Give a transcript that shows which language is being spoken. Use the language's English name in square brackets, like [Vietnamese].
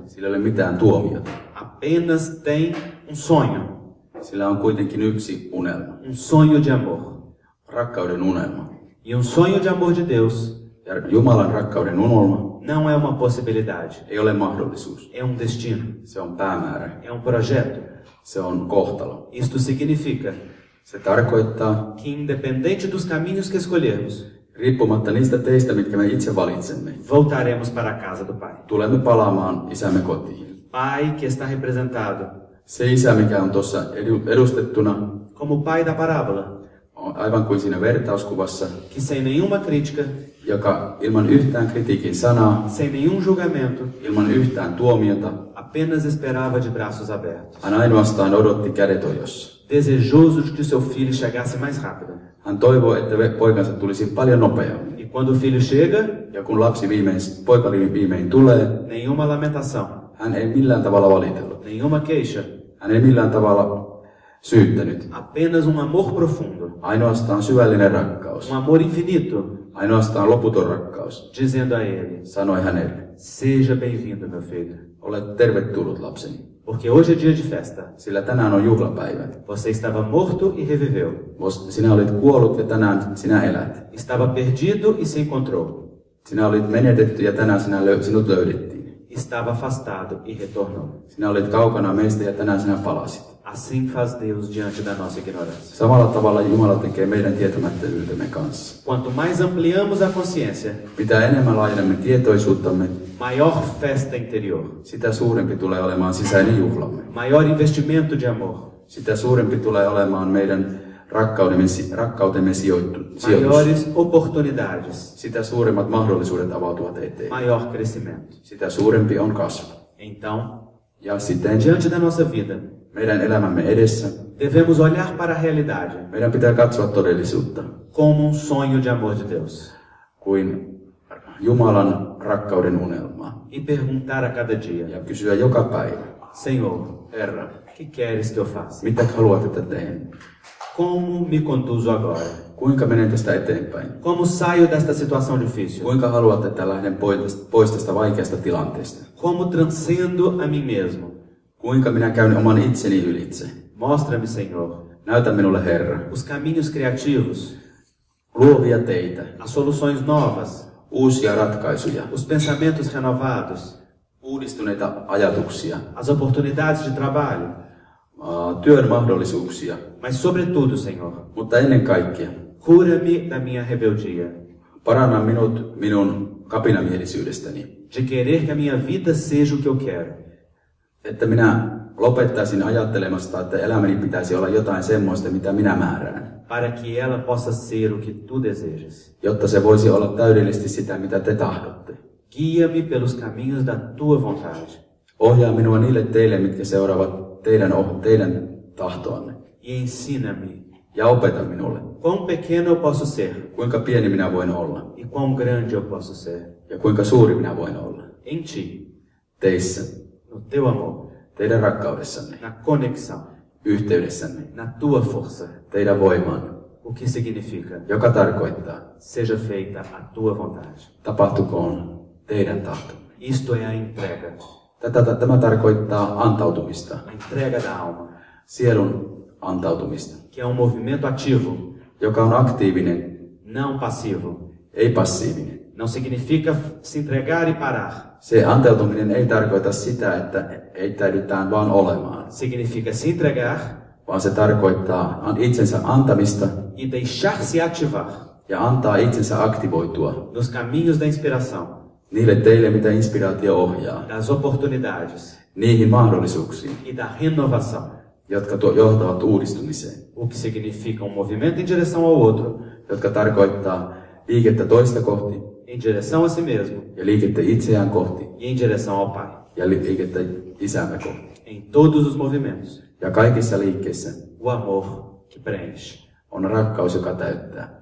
[Finnish] Sillä ei ole mitään tuomiota. [Portuguese] Apenas tem sonho. [Finnish] Sillä on kuitenkin yksi unelma. [Portuguese] Sonho de amor. [Finnish] Rakkauden unelma. [Portuguese] E sonho de amor de Deus. [Finnish] Ja Jumalan rakkauden unelma. [Portuguese] Não é uma possibilidade. [Finnish] Ei ole mahdollisuus. [Portuguese] É destino. [Finnish] Se on päämäärä. [Portuguese] É projeto. [Finnish] Se on kohtalo. [Portuguese] Isto significa. [Finnish] Se tarkoittaa. [Portuguese] Que independente dos caminhos que escolhermos. [Finnish] Riippumatta niistä teistä, mitkä me itse valitsemme. [Portuguese] Voltaremos para a casa do Pai. [Finnish] Tulemme palaamaan isämme kotiin. [Portuguese] Pai que está representado. [Finnish] Se isä, mikä on tuossa edustettuna. [Portuguese] Como pai da parábola. [Finnish] Aivan kuin siinä vertauskuvassa. [Portuguese] Que sem nenhuma crítica. [Finnish] Joka ilman yhtään kritiikin sanaa. [Portuguese] Sem nenhum julgamento. [Finnish] Ilman yhtään tuomiota. [Portuguese] Apenas esperava de braços abertos. [Finnish] Hän ainoastaan odotti kädet ojossa. [Portuguese] Desejoso de que seu filho chegasse mais rápido. [Finnish] Hän toivoo, että poikansa tulisi paljon nopeammin. [Portuguese] E quando o filho chega, [Finnish] ja kun lapsi viimein, poika viimein tulee, [Portuguese] nenhuma lamentação. [Finnish] Hän ei millään tavalla valitellut. [Portuguese] Nenhuma queixa. [Finnish] Hän ei millään tavalla syyttänyt. [Portuguese] Apenas amor profundo. [Finnish] Ainoastaan syvällinen rakkaus. [Portuguese] Amor infinito. [Finnish] Ainoastaan loputon rakkaus. [Portuguese] Dizendo a ele. [Finnish] Sanoi hänelle. [Portuguese] Seja bem-vindo, meu filho. [Finnish] Olet tervetullut, lapseni. [Portuguese] Porque hoje é dia de festa. [Finnish] Sillä tänään on juhlapäivä. [Portuguese] Você estava morto e reviveu. [Finnish] Sinä olit kuollut ja tänään sinä elät. [Portuguese] Estava perdido e se encontrou. [Finnish] Sinä olit menetetty ja tänään sinut löydettiin. [Portuguese] Estava afastado e retornou. [Finnish] Sinä olit kaukana meistä ja tänään sinä palasit. [Portuguese] Assim faz Deus diante da nossa ignorância. [Finnish] Samalla tavalla Jumala tekee meidän tietämättömyytemme kanssa. [Portuguese] Quanto mais ampliamos a consciência, [Finnish] mitä enemmän laajennamme tietoisuuttamme, [Portuguese] maior festa interior. [Finnish] Sitä suurempi tulee olemaan sisäinen juhlamme. [Portuguese] Maior investimento de amor. [Finnish] Sitä suurempi tulee olemaan meidän rakkautemme sijoitus. [Portuguese] Maiores oportunidades. [Finnish] Sitä suuremmat mahdollisuudet avautuvat eteen. [Portuguese] Maior crescimento. [Finnish] Sitä suurempi on kasvu. [Portuguese] Então, [Finnish] ja sitten, [Portuguese] diante da nossa vida, [Finnish] meidän elämämme edessä. [Portuguese] Devemos olhar para a realidade. [Finnish] Meidän pitää katsoa todellisuutta. [Portuguese] Como sonho de amor de Deus. [Finnish] Kuin Jumalan rakkauden unelma. [Portuguese] E perguntar a cada dia. [Finnish] Ja kysyä joka päivä. [Portuguese] Senhor, Herra, que queres que eu faça? [Finnish] Mitä haluat, että teen? [Portuguese] Como me conduzo agora? [Finnish] Kuinka menen tästä eteenpäin? [Portuguese] Como saio desta situação difícil? [Finnish] Kuinka haluat, että lähden pois tästä vaikeasta tilanteesta? [Portuguese] Como transcendo a mim mesmo? [Finnish] Kuinka minä käyn oman itseni ylitse? [Portuguese] Mostra-me, Senhor. [Finnish] Näytä minulle, Herra. [Portuguese] Os caminhos criativos. [Finnish] Luovia teitä. [Portuguese] As soluções novas. [Finnish] Uusia ratkaisuja. [Portuguese] Os pensamentos renovados. [Finnish] Uudistuneita ajatuksia. [Portuguese] As oportunidades de trabalho. [Finnish] Työn mahdollisuuksia. [Portuguese] Mas sobretudo, Senhor. [Finnish] Mutta ennen kaikkea. [Portuguese] Cura-me da minha rebeldia. [Finnish] Paranna minut minun kapinamielisyydestäni. [Portuguese] De querer que a minha vida seja o que eu quero. [Finnish] Että minä lopettaisin ajattelemasta, että elämäni pitäisi olla jotain semmoista, mitä minä määrään. [Portuguese] Para que ela possa ser o que tu desejas. [Finnish] Jotta se voisi olla täydellisesti sitä, mitä te tahdotte. [Portuguese] Guia-me pelos caminhos da tua vontade. [Finnish] Ohjaa minua niille teille, mitkä seuraavat teidän tahtoanne. [Portuguese] E ensina-me. [Finnish] Ja opeta minulle. [Portuguese] Quão pequeno eu posso ser. [Finnish] Kuinka pieni minä voin olla. [Portuguese] E quão grande eu posso ser. [Finnish] Ja kuinka suuri minä voin olla. [Portuguese] Em ti. [Finnish] teissä, [Portuguese] no teu amor, [Finnish] teidän rakkaudessanne, [Portuguese] na conexão, [Finnish] yhteydessänne, [Portuguese] na tua força, [Finnish] teidän voimaan, [Portuguese] o que significa, [Finnish] joka tarkoittaa, [Portuguese] seja feita a tua vontade, [Finnish] tapahtukoon teidän tahto. [Portuguese] Isto é a entrega. [Finnish] Tämä tarkoittaa antautumista. [Portuguese] A entrega da alma. [Finnish] Sielun antautumista. [Portuguese] Que é um movimento ativo. [Finnish] Joka on aktiivinen. [Portuguese] Não passivo. [Finnish] Ei passiivinen. [Portuguese] Não significa se entregar e parar. [Finnish] Se antautuminen ei tarkoita sitä, että heittäydytään vaan olemaan. [Portuguese] Significa se entregar. [Finnish] Vaan se tarkoittaa itsensä antamista. [Portuguese] E deixar se ativar. [Finnish] Ja antaa itsensä aktivoitua. [Portuguese] Nos caminhos da inspiração. [Finnish] Niille teille, mitä inspiraatio ohjaa. [Portuguese] Das oportunidades. [Finnish] Niihin mahdollisuuksiin. [Portuguese] E da renovação. [Finnish] Jotka johtavat uudistumiseen. [Portuguese] O que significa um movimento em direção ao outro. [Finnish] Jotka tarkoittaa liikettä toista kohti. [Portuguese] Em direção a si mesmo. [Finnish] Ja liikettä itseään kohti. [Portuguese] E em direção ao Pai. [Finnish] Ja liikettä isäämme kohti. [Portuguese] Em todos os movimentos. [Finnish] Ja kaikissa liikkeissä. [Portuguese] O amor que preenche. [Finnish] On rakkaus, joka täyttää.